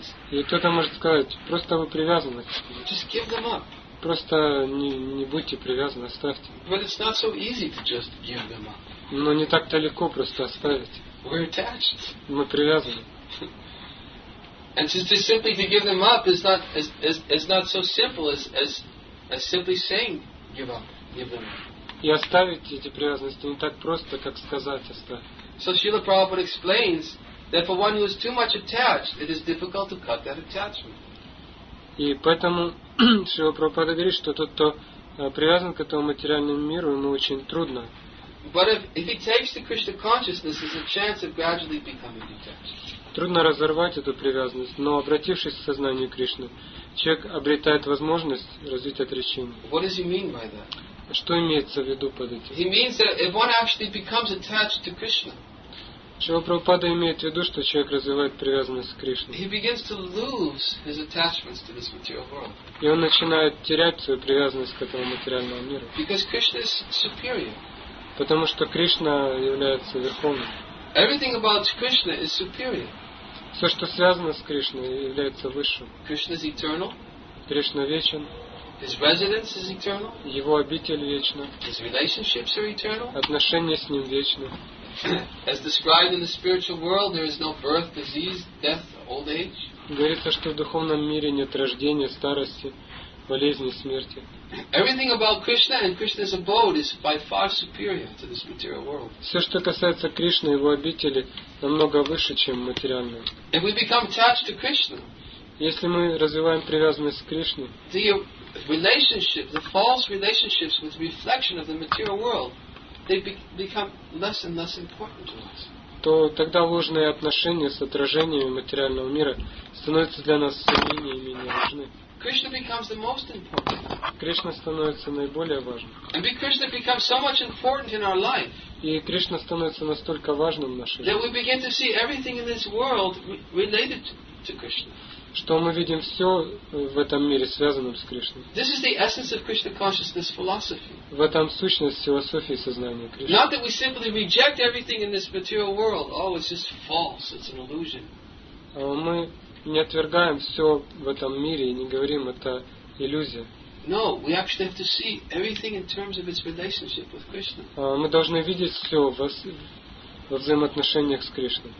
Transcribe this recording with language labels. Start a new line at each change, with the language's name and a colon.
Russian: И кто-то может сказать, просто вы привязаны.
English: Just give them up.
Russian: Просто не будьте привязаны, оставьте.
English: But it's not so easy to just give them up.
Russian: Но не так-то легко просто оставить.
English: We're attached.
Russian: Мы привязаны.
English: And just simply to give them up is not not so simple as simply saying give up, give them up.
Russian: И оставить эти привязанности не так просто, как сказать оставь.
English: So Srila Prabhupada explains that for one who is too much attached, it is difficult to cut that attachment.
Russian: И поэтому Шрила Прабхупада говорит, что тот, кто привязан к этому материальному миру, ему очень трудно.
English: But if he takes the Krishna consciousness, there's a chance of gradually becoming detached.
Russian: Трудно разорвать эту привязанность, но обратившись к сознанию Кришны, человек обретает возможность развить отречение.
English: What does he mean by that?
Russian: Что имеется в виду под этим?
English: He means that if one actually becomes attached to Krishna,
Russian: Шрила Прабхупада имеет в виду, что человек развивает привязанность к Кришне.
English: He begins to lose his attachments to this material world.
Russian: И он начинает терять свою привязанность к этому материальному миру.
English: Because Krishna is superior.
Russian: Потому что Кришна является верховным.
English: Everything about Krishna is superior.
Russian: Все, что связано с Кришной, является высшим.
English: Krishna is eternal.
Russian: Кришна вечен.
English: His residence is eternal.
Russian: Его обитель вечна.
English: His relationships are eternal.
Russian: Отношения с ним вечны.
English: As described in the spiritual world, there is no birth, disease, death, old age.
Russian: Говорится, что в духовном мире нет рождения, старости, болезни, смерти.
English: Everything about Krishna and Krishna's abode is by far superior to this material world.
Russian: Все, что касается Кришны и его обители, намного выше, чем материальное.
English: If we become attached to Krishna,
Russian: если мы развиваем привязанность к Кришне,
English: the relationship, the false relationships with the reflection of the material world, they become less and less important to us.
Russian: То тогда ложные отношения с отражениями материального мира становятся для нас все менее и менее важны.
English: Krishna becomes the most important.
Russian: Кришна становится наиболее важным.
English: And Krishna becomes so much important in our life.
Russian: И Кришна становится настолько важным в нашей жизни.
English: That we begin to see everything in this world related to Krishna.
Russian: Что мы видим все в этом мире связанным с Кришной.
English: This is the essence of Krishna consciousness philosophy.
Russian: В этом сущность философии сознания Кришны.
English: Not that we simply reject everything in this material world. Oh, it's just false. It's an illusion.
Russian: Мы не отвергаем все в этом мире и не говорим, это иллюзия.
English: No, we actually have to see everything in terms of its relationship with Krishna.
Russian: Мы должны видеть все во взаимоотношениях с Кришной.